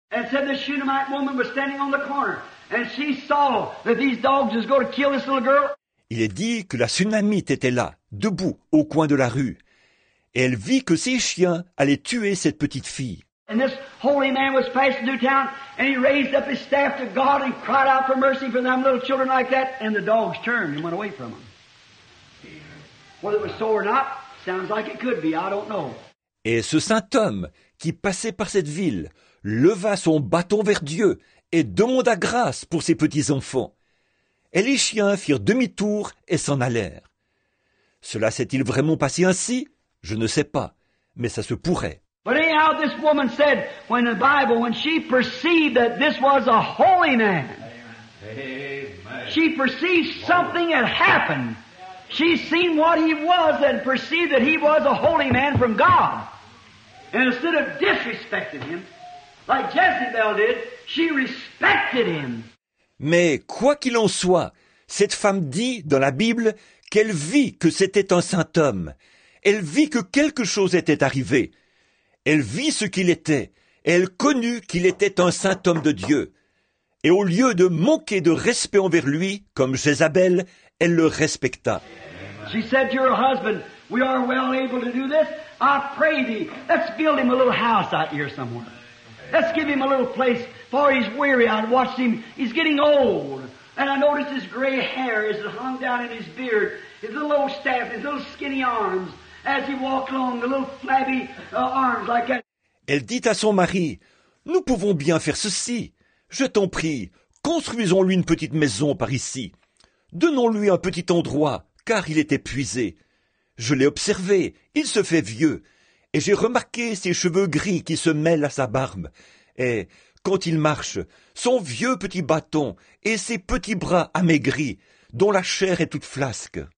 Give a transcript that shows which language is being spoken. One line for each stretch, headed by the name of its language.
English: And said the Shunammite woman was standing on the corner, and she saw that these dogs was going to kill this little girl.
French: Il est dit que la Shunammite était là, debout, au coin de la rue, et elle vit que ces chiens allaient tuer cette petite fille.
English: And this holy man was passing through town, and he raised up his staff to God and cried out for mercy for them little children like that, and the dogs turned and went away from him. Whether it was so or not, sounds like it could be, I don't know.
French: Et ce saint homme qui passait par cette ville leva son bâton vers Dieu et demanda grâce pour ses petits-enfants. Et les chiens firent demi-tour et s'en allèrent. Cela s'est-il vraiment passé ainsi? Je ne sais pas, mais ça se pourrait.
English: But anyhow, this woman said, when the Bible, when she perceived that this was a holy man, she perceived something had happened. She seen what he was and perceived that he was a holy man from God. And instead of disrespecting him, like Jezebel did, she respected him.
French: Mais quoi qu'il en soit, cette femme dit dans la Bible qu'elle vit que c'était un saint homme. Elle vit que quelque chose était arrivé. Elle vit ce qu'il était. Elle connut qu'il était un saint homme de Dieu. Et au lieu de manquer de respect envers lui, comme Jézabel, elle le respecta.
English: She said to her husband, we are well able to do this. I pray thee, let's build him a little house out here somewhere. Let's give him a little place, for he's weary. I watched him. He's getting old. And I noticed his gray hair as it hung down in his beard, his little old staff, his little skinny arms, as he walked along, the little flabby arms like that.
French: Elle dit à son mari, nous pouvons bien faire ceci. Je t'en prie, construisons-lui une petite maison par ici. Donnons-lui un petit endroit, car il est épuisé. Je l'ai observé, il se fait vieux. Et j'ai remarqué ses cheveux gris qui se mêlent à sa barbe. Et, quand il marche, son vieux petit bâton et ses petits bras amaigris, dont la chair est toute flasque.